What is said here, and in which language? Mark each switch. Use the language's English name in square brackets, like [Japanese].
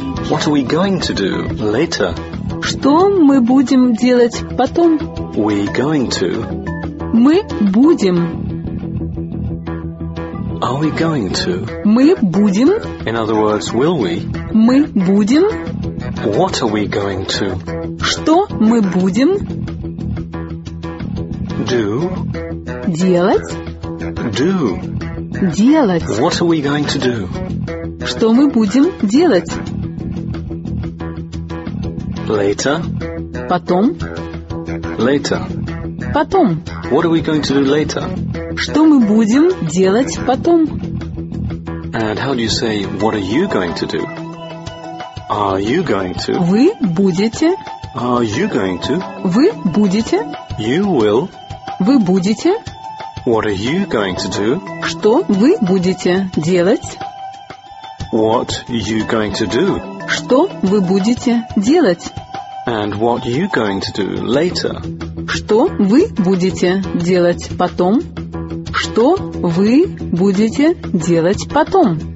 [English] What are we going to do later? [Russian] Что мы будем делать потом? [English] We going to. [Russian] Мы будем. [English] Are we going to? [Russian] Мы будем. [English] In other words, will we? [Russian] Мы будем. [English] What are we going to? [Russian] Что мы будем? [English] Do. [Russian] Делать. [English] Do. [Russian] Делать. [English] What are we going to do? [Russian] Что мы будем делать? [English] Later. [Russian] Потом. [English] Later. [Russian] Потом. [English] What are we going to do later? [Russian] Что мы будем делать потом? [English] And how do you say what are you going to do? Are you going to? [Russian] Вы будете. [English] Are you going to? [Russian] Вы будете. [English] You will. [Russian] Вы будете. [English] What are you going to do? [Russian] Что вы будете делать? [English] What are you going to do? [Russian] Что вы будете делать? [English] And what are you going to do later? [Russian] Что вы будете делать потом? Что вы будете делать потом?